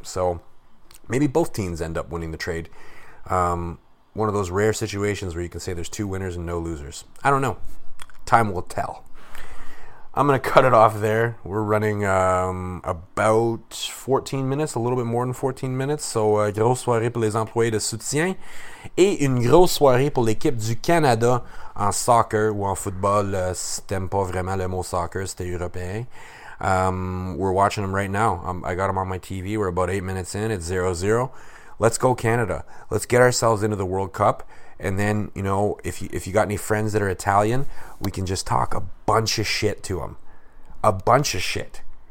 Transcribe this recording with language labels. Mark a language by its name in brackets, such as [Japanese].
[English] So maybe both teams end up winning the trade. One of those rare situations where you can say there's two winners and no losers. I don't know. Time will tell. I'm going to cut it off there. We're running about 14 minutes, a little bit more than 14 minutes. [French] So, grosse soirée pour les employés de soutien. Et une grosse soirée pour l'équipe du Canada en soccer ou en football. Si t'aimes pas vraiment le mot soccer, c'était européen. [English] We're watching them right now. I got them on my TV. We're about 8 minutes in. It's 0-0. Let's go Canada. Let's get ourselves into the World Cup. And then, if you got any friends that are Italian, we can just talk a bunch of shit to them. A bunch of shit.